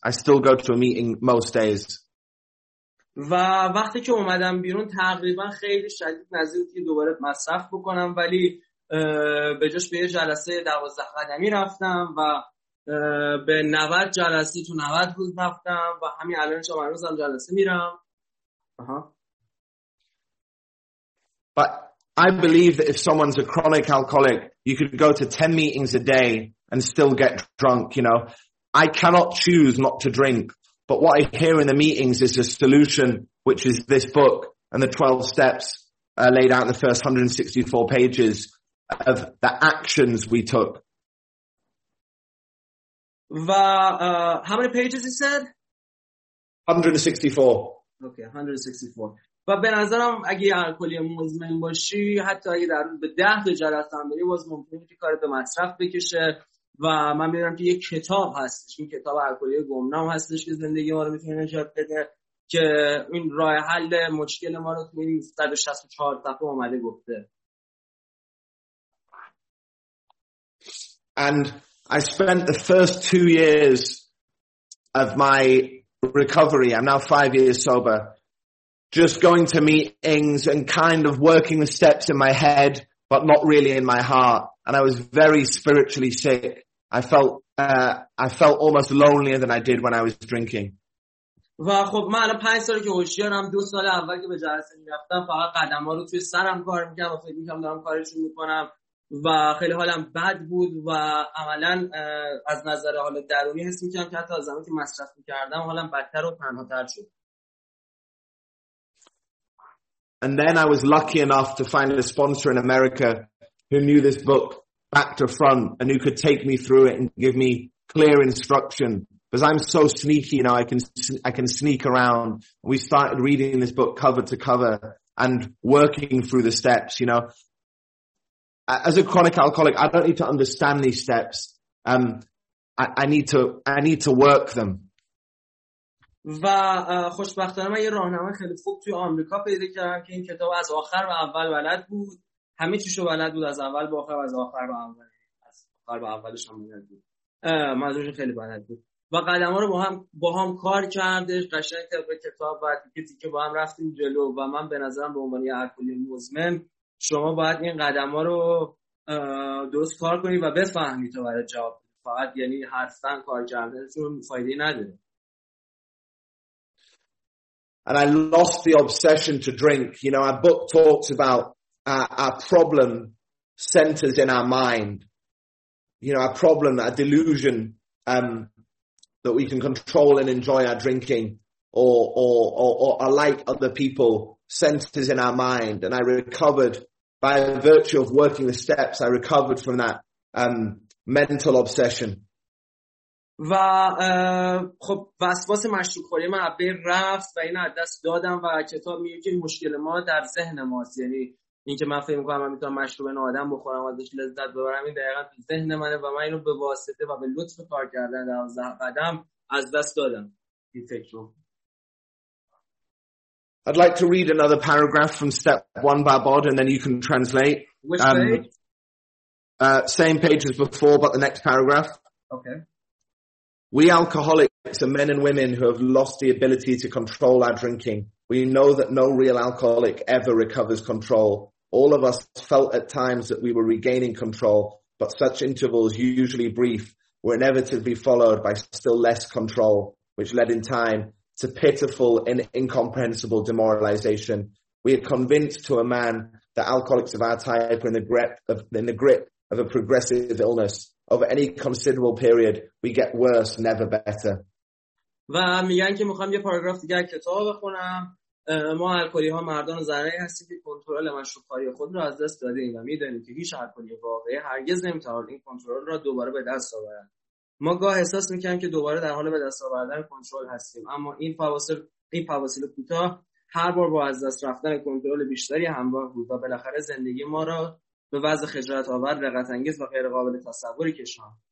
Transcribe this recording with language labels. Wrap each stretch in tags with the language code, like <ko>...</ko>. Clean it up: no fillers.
<en>I still go to a meeting most days.</en> <fa>و وقتی که اومدم بیرون تقریبا خیلی شدید نزدیک بود که دوباره مصرف بکنم، ولی به جاش به یه جلسه 12 قدمی رفتم و به 90 جلسه تو 90 روز رفتم و همین الان شما هر روزم جلسه میرم.</fa> <en>But I believe that if someone's a chronic alcoholic, you could go to 10 meetings a day and still get drunk, you know. I cannot choose not to drink, but what I hear in the meetings is a solution, which is this book and the 12 steps laid out in the first 164 pages of the actions we took. و how many pages you said? 164.</en> <fa>Okay, 164. و به نظرم اگه الکلی مزمن باشی، حتی اگه در روز به 10 تا جلسه هم بری، باز ممکنه که کارت به مصرف بکشه و من میدونم که یک کتاب هستش، این کتاب الکلی گمنام هستش که زندگی ما رو میتونه نجات بده، که این راه حل مشکل ما رو توی 164 صفحه اومده گفته.</fa> <en>And I spent the first 2 years of my recovery, I'm now 5 years sober, just going to meetings and kind of working the steps in my head, but not really in my heart. And I was very spiritually sick. I felt almost lonelier than I did when I was drinking.</en> <fa>و خب من الان 5 سال که هوشیارم، 2 سال اول که به جلسه میرفتم فقط قدم ها رو توی سرم کار میکنم و فکر میکنم دارم کارشون میکنم و خیلی حالم بد بود و عملا از نظر حال درونی حس میکنم که حتی از زمانی که مصرف میکردم حالم بدتر و تنهاتر شد.</fa> <en>And then I was lucky enough to find a sponsor in America who knew this book back to front and who could take me through it and give me clear instruction, because I'm so sneaky, you know, I can sneak around. We started reading this book cover to cover and working through the steps, you know. As a chronic alcoholic, I don't need to understand these steps. I need to work them.</en> <fa>و خوشبختانه من یه راهنمای خیلی خوب توی آمریکا پیدا کردم که این کتاب از آخر و اول بلد بود. همه چیشو بلد بود، از اول به آخر و از آخر به اول. از آخر به اولش هم بلد بود. منظورش خیلی بلد بود. و قدم ها رو با هم کار کردش. قشنگ طبق کتاب و تیکه تیکه با هم رفتیم جلو و من به نظرم به عنوان یه الکلی مزمن شما باید این قدم ها رو درست کار کنید و بفهمید تو برای جواب فقط یعنی هستن کار کردنشون فایده نداره.</fa> <en>And I lost the obsession to drink. You know, our book talks about our problem centers in our mind. You know, our problem, our delusion that we can control and enjoy our drinking or like other people centers in our mind. And I recovered by virtue of working the steps, I recovered from that mental obsession.</en> <fa>و خب وسواس مشروب‌خوری من از بین رفت و اینو از دست دادم و کتاب میگه که مشکل ما در ذهن ماست، یعنی اینکه من فکر می‌کنم من میتونم مشروب اینو آدم بخورم و ازش لذت ببرم، این دقیقاً تو ذهن منه و من اینو به واسطه و به لطف کار کردن در قدم از دست دادم این فکر رو.</fa> <en>I'd like to read another paragraph from step 1 by Bod and then you can translate. Which page? Same page as before but the next paragraph. Okay. We alcoholics are men and women who have lost the ability to control our drinking. We know that no real alcoholic ever recovers control. All of us felt at times that we were regaining control, but such intervals, usually brief, were inevitably followed by still less control, which led in time to pitiful and incomprehensible demoralization. We are convinced to a man that alcoholics of our type are in the grip of a progressive illness. Over any considerable period, we get worse, never better.</en> <fa>و میگن که میخوام یه پاراگراف دیگه کتاب بخونم. ما الکلی ها مردان و زنایی هستیم که کنترل مشروب‌خواری خود رو از دست دادیم و میدونیم که هیچ الکلی واقعی هرگز نمیتواند این کنترل را دوباره به دست آورد. ما گاه احساس میکنیم که دوباره در حال به دست آوردن کنترل هستیم، اما این فواصل کوتاه هر بار با از دست رفتن کنترل بیشتری همراه بود و بالاخره زندگی ما را به وضع خجالت آور، رقت انگیز و غیر قابل تصوری کشان.</fa>